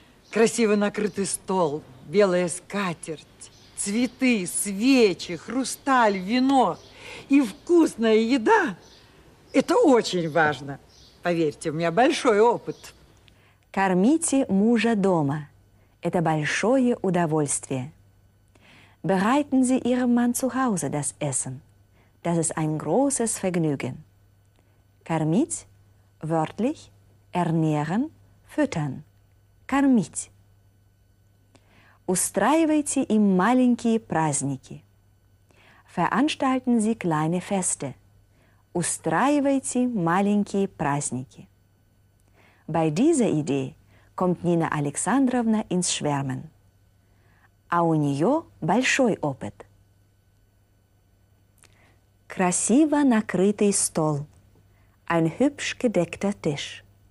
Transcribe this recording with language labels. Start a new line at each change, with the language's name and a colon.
Russian: Красиво накрытый стол, белая скатерть, цветы, свечи, хрусталь, вино и вкусная еда. Это очень важно. Поверьте, у меня большой опыт. Кормите мужа дома. Это большое удовольствие.
German: Bereiten Sie Ihrem Mann zu Hause das Essen. Das ist ein großes Vergnügen. Кормить, wörtlich, ernähren, füttern.
Russian: Кормить. Устраивайте им маленькие праздники.
German: Veranstalten Sie kleine Feste.
Russian: Устраивайте маленькие праздники.
German: Bei dieser Idee kommt Nina Alexandrovna ins Schwärmen.
Russian: А у нее большой опыт. Красиво накрытый стол.
German: Ein hübsch gedeckter Tisch.